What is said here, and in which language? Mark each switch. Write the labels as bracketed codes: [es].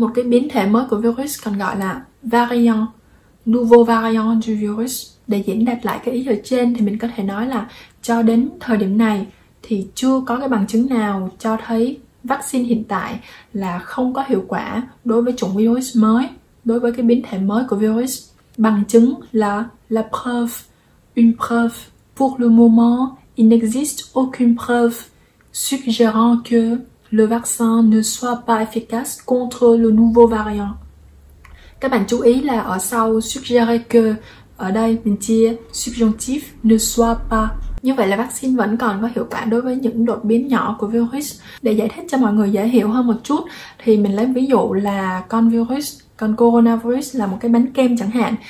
[vi] Một cái biến thể mới của virus còn gọi là variant, [fr] nouveau variant du virus. [vi] Để diễn đạt lại cái ý ở trên thì mình có thể nói là cho đến thời điểm này thì chưa có cái bằng chứng nào cho thấy vaccine hiện tại là không có hiệu quả đối với chủng virus mới, đối với cái biến thể mới của virus. Bằng chứng là [fr] la preuve, une preuve. Pour le moment, il n'existe aucune preuve suggérant que le vaccin ne soit pas efficace contre le nouveau variant. [vi] Các bạn chú ý là ở sau suggérer que, ở đây mình chia subjonctif, [fr] ne soit pas. [vi] Như vậy là vaccine vẫn còn có hiệu quả đối với những đột biến nhỏ của virus. Để giải thích cho mọi người dễ hiểu hơn một chút, thì mình lấy ví dụ là con virus, con coronavirus là một cái bánh kem chẳng hạn.